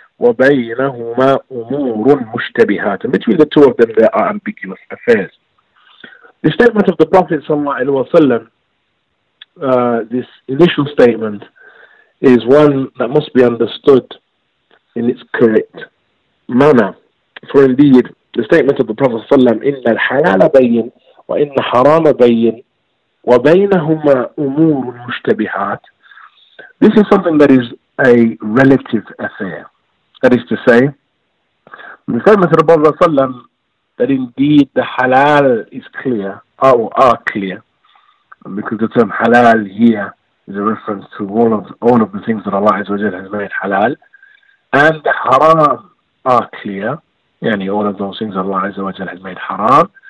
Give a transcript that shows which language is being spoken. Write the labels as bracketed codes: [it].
[ar] وَبَيْنَهُمَا أُمُورٌ مُشْتَبِهَاتٌ. [en] Between the two of them, there are ambiguous affairs. The statement of the Prophet ﷺ, this initial statement, is one that must be understood in its correct manner. For indeed, the statement of the Prophet ﷺ, [ar] إِنَّ الْحَلَالَ بَيِّنْ وَإِنَّ الْحَرَامَ بَيِّنْ وَبَيْنَهُمَا أُمُورٌ مُشْتَبِهَاتٌ. [en] This is something that is a relative affair. That is to say, the statement of the Prophet ﷺ, that indeed the halal is clear, are clear, because the term halal here is a reference to all of the things that Allah Azza wa Jalla has made halal, and haram are clear, yani all of those things that Allah Azza wa Jalla has made haram.